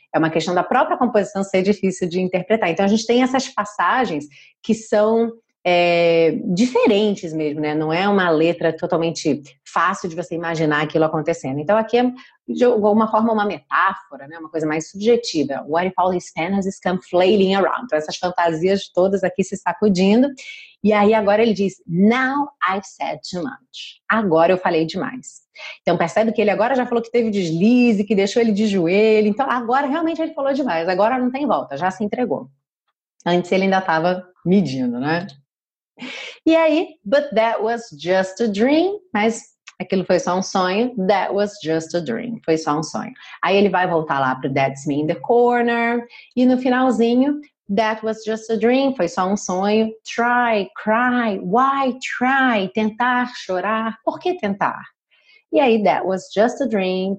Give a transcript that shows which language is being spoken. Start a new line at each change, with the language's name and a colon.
Portuguese: É uma questão da própria composição ser difícil de interpretar. Então, a gente tem essas passagens que são diferentes mesmo, né? Não é uma letra totalmente fácil de você imaginar aquilo acontecendo. Então, aqui é... De alguma forma, uma metáfora, né? Uma coisa mais subjetiva.
English: What if all these fantasies come flailing around?
Portuguese: Então, essas fantasias todas aqui se sacudindo. E aí, agora ele diz,
English: now I've said too much.
Portuguese: Agora eu falei demais. Então, percebe que ele agora já falou que teve deslize, que deixou ele de joelho. Então, agora realmente ele falou demais. Agora não tem volta, já se entregou. Antes ele ainda estava medindo, né? E aí,
English: but that was just a dream,
Portuguese: mas... Aquilo foi só um sonho.
English: That was just a dream.
Portuguese: Foi só um sonho. Aí ele vai voltar lá pro That's Me in the Corner. E no finalzinho,
English: that was just a dream.
Portuguese: Foi só um sonho.
English: Try, cry. Why try?
Portuguese: Tentar, chorar. Por que tentar? E aí,
English: that was just a dream.